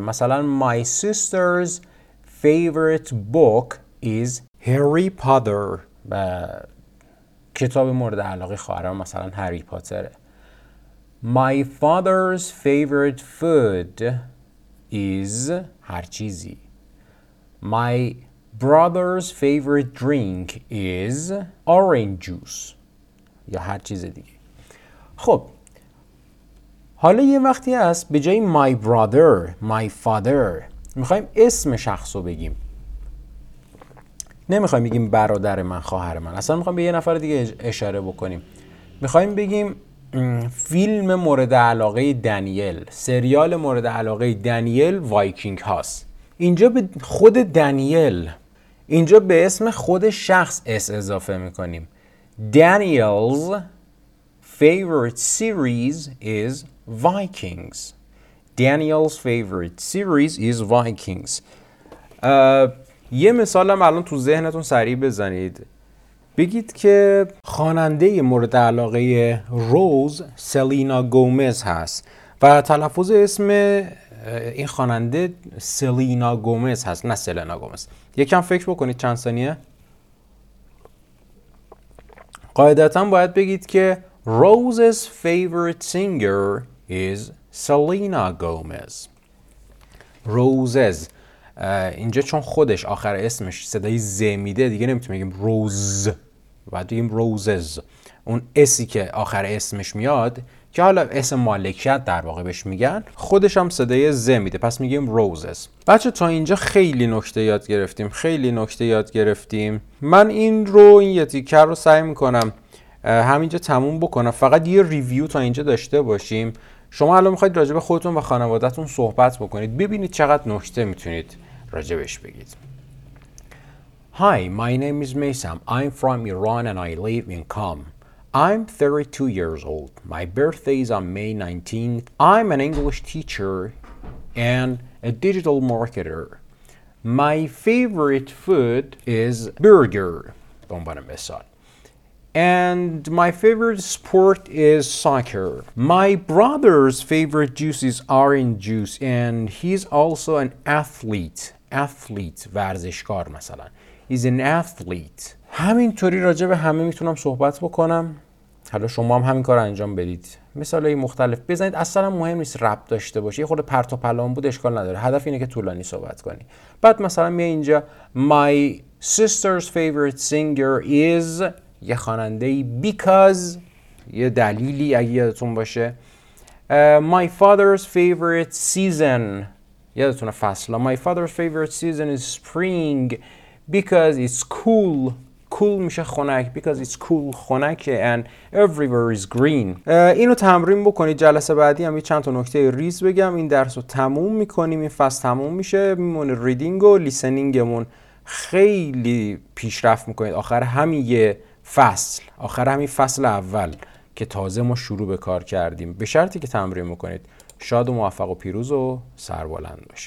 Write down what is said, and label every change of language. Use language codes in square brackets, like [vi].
[en] مثلا my sister's favorite book is Harry Potter. [fa] و کتاب مورد علاقه خواهرم مثلا هری پاتره. [en] My father's favorite food is [fa] هر چیزی. [en] My brother's favorite drink is orange juice [fa] یا هر چیز دیگه. خب حالا یه وقتی هست به جای [en] my brother، my father، [fa] میخواییم اسم شخص رو بگیم. نمیخواییم بگیم برادر من، خواهر من، اصلا میخواییم به یه نفر دیگه اشاره بکنیم. میخواییم بگیم فیلم مورد علاقه دانیل، سریال مورد علاقه دانیل وایکینگ هاست. اینجا به خود دانیل، اینجا به اسم خود شخص اس اضافه میکنیم. [en] Daniel's favorite series is Vikings. Daniel's favorite series is Vikings. [fa] یه مثال هم الان تو ذهنتون سریع بزنید. بگید که خواننده مورد علاقه روز سلینا گومز هست و تلفظ اسم این خواننده سلینا گومز هست، نه سلینا گومز. یکم فکر بکنید چند ثانیه. قاعدتا باید بگید که [en] Rose's favorite singer is Selena Gomez. [fa] Rose's اینجا چون خودش آخر اسمش صدای ز میده دیگه نمیتونیم بگیم روز، باید بگیم Rose's. اون اسی که آخر اسمش میاد که حالا اسم مالکیت در واقع بهش میگن، خودش هم صدای ز میده، پس میگیم Rose's. بچه تا اینجا خیلی نکته یاد گرفتیم، خیلی نکته یاد گرفتیم. من این رو، این یتیکر رو سعی میکنم همینجا تموم بکنم. فقط یه ریویو تا اینجا داشته باشیم. شما الان میخواید راجع به خودتون و خانوادتون صحبت بکنید، ببینید چقدر نکته میتونید راجع بهش بگید. [en] Hi, my name is Maysam. I'm from Iran and I live in Qom. I'm 32 years old. My birthday is on May 19th. I'm an English teacher and a digital marketer. My favorite food is burger. بمبارم بسار. And my favorite sport is soccer. My brother's favorite juice is orange juice and he's also an athlete. Athlete, [fa] ورزشکار مثلا. [en] He's an athlete. [fa] همینطوری راجع به همه میتونم صحبت بکنم، حالا شما هم همین کار انجام بدید، مثال های مختلف بزنید، اصلا مهم نیست رب داشته باشه، یه خود پرت و پلان بود اشکال نداره، هدف اینه که طولانی صحبت کنی. بعد مثلا میای اینجا [en] My sister's favorite singer is [fa] یه خانندهی [en] because [fa] یه دلیلی اگه یادتون باشه. [en] My father's favorite season [fa] یادتونه فصل، [en] My father's favorite season is spring because it's cool. Cool [fa] میشه خنک، [en] because it's cool [fa] خنک [en] and everywhere is green. [fa] اینو تمرین بکنید، جلسه بعدی هم یه چند تا نکته ریز بگم، این درس رو تموم میکنیم، این فصل تموم میشه، میمونه ریدینگ و لیسنینگمون. خیلی پیشرفت میکنید آخر همین یه فصل، آخر همین فصل اول که تازه ما شروع به کار کردیم، به شرطی که تمرین میکنید. شاد و موفق و پیروز و سربلند باشید.